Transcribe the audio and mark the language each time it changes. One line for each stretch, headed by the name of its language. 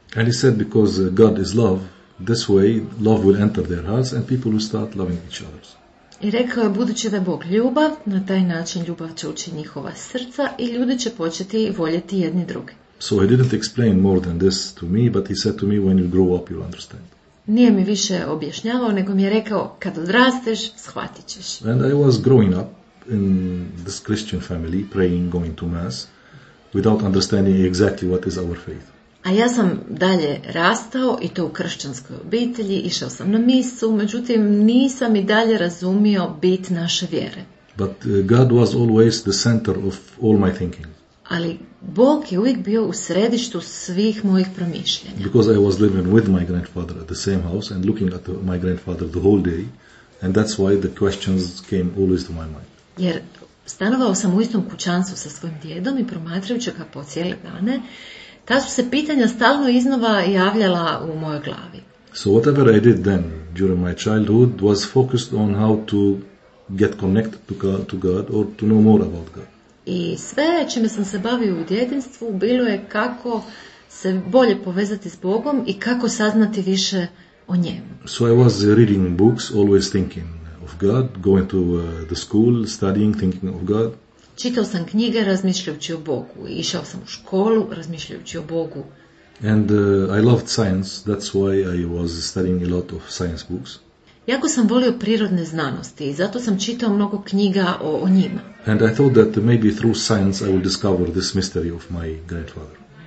English: And he said, because God is love, this way love will enter their hearts and people will start loving each other.
Croatian: I rekao je, budući da je Bog ljubav, na taj način ljubav će ući njihova srca i ljudi će početi voljeti jedni druge.
English: So he didn't explain more than this to me, but he said to me, when you grow up you'll understand.
Croatian: Nije mi više objašnjavao, nego mi je rekao, kad odrasteš, shvatit ćeš.
English: And I was growing up in this Christian family, praying, going to mass, without understanding exactly what is our faith.
Croatian: A ja sam dalje rastao i to u kršćanskoj obitelji, išao sam na misu, međutim nisam i dalje razumio bit naše vjere.
English: But God was always the center of all my thinking.
Croatian: Ali Bog je uvijek bio u središtu svih mojih promišljanja.
English: Because I was living with my grandfather at the same house and looking at my grandfather the whole day, and that's why the questions came always to my mind.
Croatian: Jer stanovao sam u istom kućanstvu sa svojim djedom i promatrajući ga po cijele dane, ta su se pitanja stalno iznova javljala u mojoj glavi.
English: So whatever I did then during my childhood was focused on how to get connected to God or to know more about God.
Croatian: I sve čime sam se bavio u djetinjstvu bilo je kako se bolje povezati s Bogom i kako saznati više o njemu.
English: So I was reading books, always thinking of God, going to the school, studying, thinking of God.
Croatian: Čitao sam knjige razmišljajući o Bogu, išao sam u školu razmišljajući o Bogu.
English: And I loved science, that's why I was studying a lot of science books.
Croatian: Jako sam volio prirodne znanosti, zato sam čitao mnogo knjiga o njima.
English: And I thought that maybe through science I will discover this mystery of my grandfather.